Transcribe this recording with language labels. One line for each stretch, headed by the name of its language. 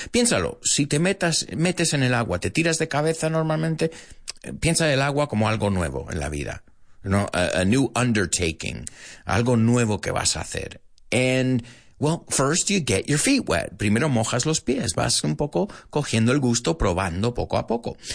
Spanish: Piénsalo, si te metes en el agua, te tiras de cabeza normalmente, piensa el agua como algo nuevo en la vida. No,
English: a new undertaking,
Spanish: algo nuevo que vas a hacer.
English: And, well, first you get your feet wet.
Spanish: Primero mojas los pies, vas un poco cogiendo el gusto, probando poco a poco.